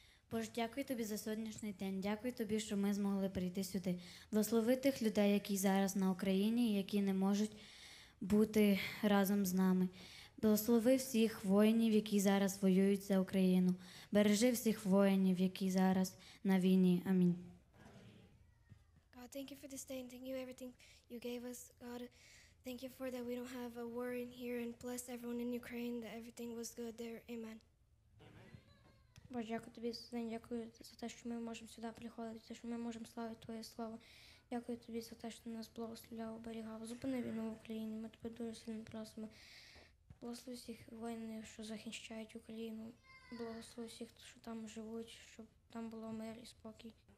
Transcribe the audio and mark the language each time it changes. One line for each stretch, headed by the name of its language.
Ukrainian: Боже, дякую тобі за сьогоднішній день. Дякую тобі, що ми змогли прийти сюди. Благослови тих людей, які зараз на Україні, які не можуть бути разом з нами. Благослови всіх воїнів, які зараз воюють за Україну. Бережи всіх воїнів, які зараз на війні. Амінь.
English: God, thank you for this day and thank you for everything you gave us. God, thank you for that we don't have a war in here and bless everyone in Ukraine that everything was good there. Amen.
Ukrainian: Боже, дякую тобі за день, дякую за те, що ми можемо сюди приходити, за те, що ми можемо славити Твоє Слово. Дякую тобі за те, що ти нас благословляв, оберігав. Зупини війну в Україні, ми тебе дуже сильно просимо. Благослови всіх воїнів, що захищають Україну. Благослови всіх, що там живуть, щоб там було мир і спокій.